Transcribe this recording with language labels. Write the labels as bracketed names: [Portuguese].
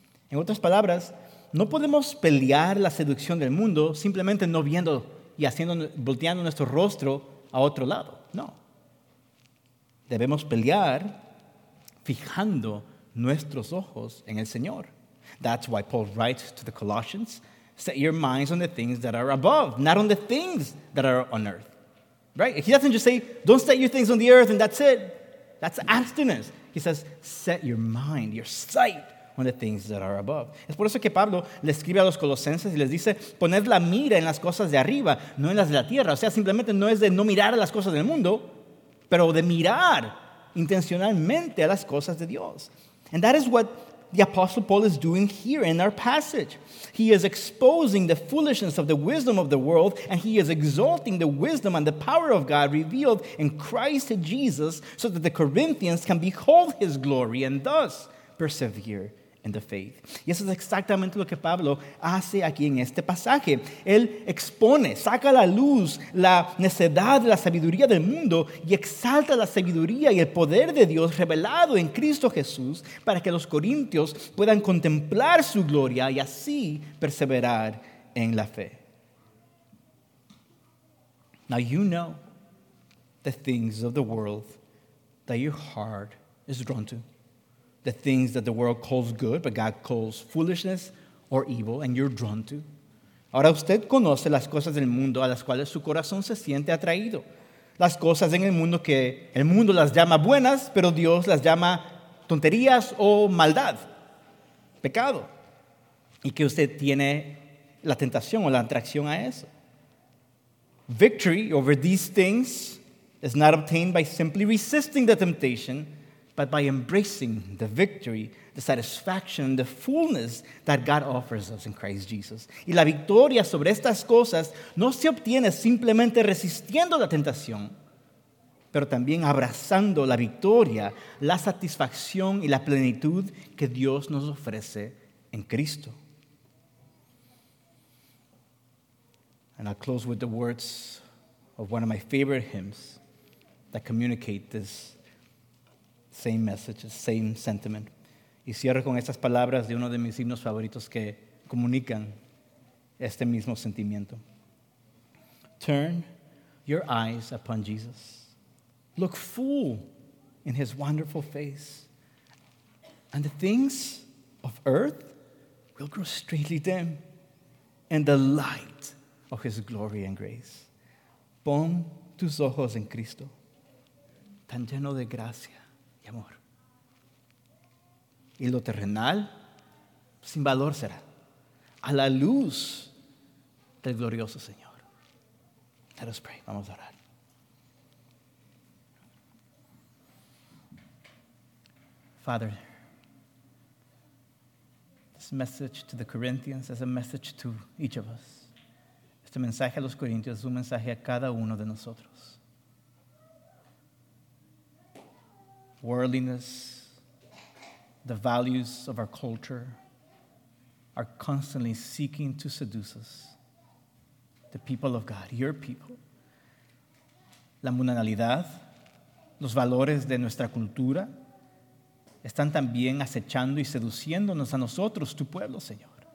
[Spanish] En otras palabras, no podemos pelear la seducción del mundo simplemente no viendo y haciendo, volteando nuestro rostro a otro lado. No. Debemos pelear fijando nuestros ojos en el Señor. [English] That's why Paul writes to the Colossians, set your minds on the things that are above, not on the things that are on earth. Right? He doesn't just say, don't set your things on the earth and that's it. That's abstinence. He says, set your mind, your sight, on the things that are above. [Spanish] Es por eso que Pablo le escribe a los colosenses y les dice, poned la mira en las cosas de arriba, no en las de la tierra. O sea, simplemente no es de no mirar a las cosas del mundo, pero de mirar intencionalmente a las cosas de Dios. [English] And that is what the Apostle Paul is doing here in our passage. He is exposing the foolishness of the wisdom of the world, and he is exalting the wisdom and the power of God revealed in Christ Jesus so that the Corinthians can behold his glory and thus persevere in the faith. [Spanish] Y eso es exactamente lo que Pablo hace aquí en este pasaje. Él expone, saca a la luz la necedad, la sabiduría del mundo y exalta la sabiduría y el poder de Dios revelado en Cristo Jesús para que los corintios puedan contemplar su gloria y así perseverar en la fe. [English] Now you know the things of the world that your heart is drawn to. The things that the world calls good, but God calls foolishness or evil, and you're drawn to. [Spanish] Ahora usted conoce las cosas del mundo a las cuales su corazón se siente atraído. Las cosas en el mundo que el mundo las llama buenas, pero Dios las llama tonterías o maldad, pecado. Y que usted tiene la tentación o la atracción a eso. [English] Victory over these things is not obtained by simply resisting the temptation, but by embracing the victory, the satisfaction, the fullness that God offers us in Christ Jesus. [Spanish] Y la victoria sobre estas cosas no se obtiene simplemente resistiendo la tentación, pero también abrazando la victoria, la satisfacción y la plenitud que Dios nos ofrece en Cristo. [English] And I'll close with the words of one of my favorite hymns that communicate this same message, same sentiment. [Spanish] Y cierro con estas palabras de uno de mis himnos favoritos que comunican este mismo sentimiento. [English] Turn your eyes upon Jesus. Look full in his wonderful face. And the things of earth will grow strangely dim in the light of his glory and grace. [Spanish] Pon tus ojos en Cristo, tan lleno de gracia. Amor. Y lo terrenal sin valor será a la luz del glorioso Señor. [English] Let us pray. [Spanish] Vamos a orar. [English] Father, this message to the Corinthians is a message to each of us. [Spanish] Este mensaje a los corintios es un mensaje a cada uno de nosotros. [English] Worldliness, the values of our culture are constantly seeking to seduce us, the people of God, your people. [Spanish] La mundanalidad, los valores de nuestra cultura, están también acechando y seduciéndonos a nosotros, tu pueblo, Señor.